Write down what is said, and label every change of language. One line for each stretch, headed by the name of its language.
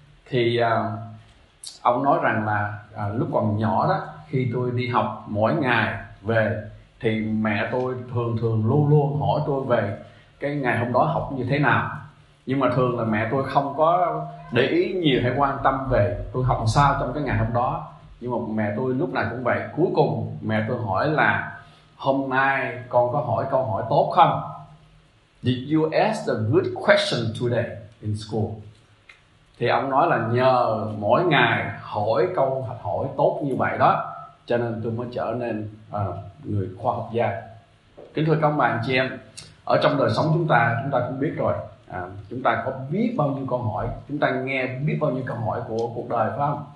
Vietnamese: Thì ông nói rằng là lúc còn nhỏ đó, khi tôi đi học mỗi ngày về thì mẹ tôi thường thường luôn luôn hỏi tôi về cái ngày hôm đó học như thế nào. Nhưng mà thường là mẹ tôi không có để ý nhiều hay quan tâm về tôi học sao trong cái ngày hôm đó. Nhưng mà mẹ tôi lúc nào cũng vậy. Cuối cùng mẹ tôi hỏi là hôm nay con có hỏi câu hỏi tốt không?
English: Did you ask a good question today in school?
Vietnamese: Thì ông nói là nhờ mỗi ngày hỏi câu hỏi tốt như vậy đó, cho nên tôi mới trở nên người khoa học gia. Kính thưa các bạn chị em, ở trong đời sống chúng ta cũng biết rồi, chúng ta có biết bao nhiêu câu hỏi, chúng ta nghe biết bao nhiêu câu hỏi của cuộc đời, phải không?